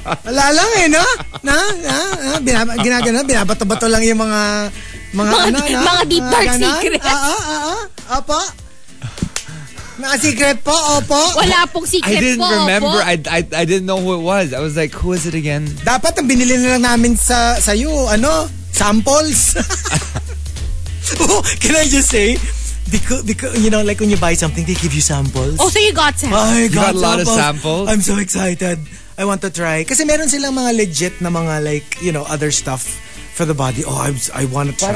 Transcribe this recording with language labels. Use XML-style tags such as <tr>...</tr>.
<tl>Wala lang eh, no? Na? Ginagano? Binabato-bato lang yung mga</tl> <en>deep dark secrets.</en> <tl>Opo? Mga secret po, opo? Wala pong secret po,</tl> <en>I didn't</en> <tl>po,</tl> <en>remember. I didn't know who it was. I was like, who is it again?</en> <tl>Dapat ang binili na lang namin sa'yo, ano?</tl> <en>Samples? Can I just say, because you know, like when you buy something, they give you samples. Oh, so you got samples. I got a lot of samples. I'm so excited. I want to try.</en> <tl>Kasi meron silang mga legit na mga</tl> <en>like, you know, other stuff for the body. Oh, I want to try.</en>